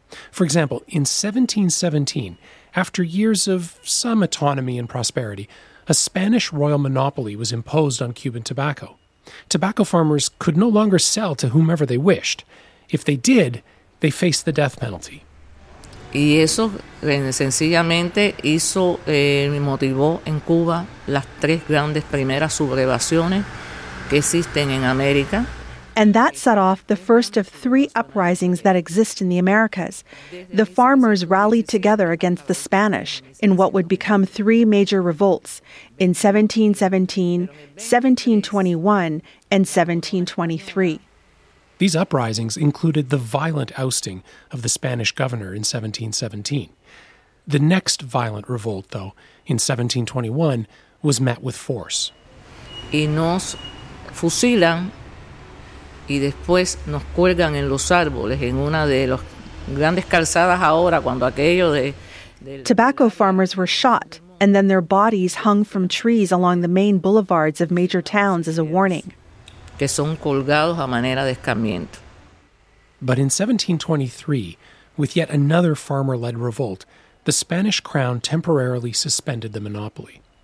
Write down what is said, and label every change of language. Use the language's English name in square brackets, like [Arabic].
[English] For example, in 1717, after years of some autonomy and prosperity, a Spanish royal monopoly was imposed on Cuban tobacco. Tobacco farmers could no longer sell to whomever they wished. If they did, they faced the death penalty. [Spanish] Y eso sencillamente hizo motivó en Cuba las tres grandes primeras sublevaciones que existen en América. [English] And that set off the first of three uprisings that exist in the Americas. The farmers rallied together against the Spanish in what would become three major revolts in 1717, 1721, and 1723. These uprisings included the violent ousting of the Spanish governor in 1717. The next violent revolt, though, in 1721, was met with force. [Spanish] Y nos fusilan. Y después nos cuelgan en los árboles, en una de las grandes calzadas ahora, cuando aquello de... [English] Tobacco farmers were shot, and then their bodies hung from trees along the main boulevards of major towns as a warning. [Spanish] Que son colgados a manera de escarmiento. [English] But in 1723, with yet another farmer-led revolt, the Spanish crown temporarily suspended the monopoly.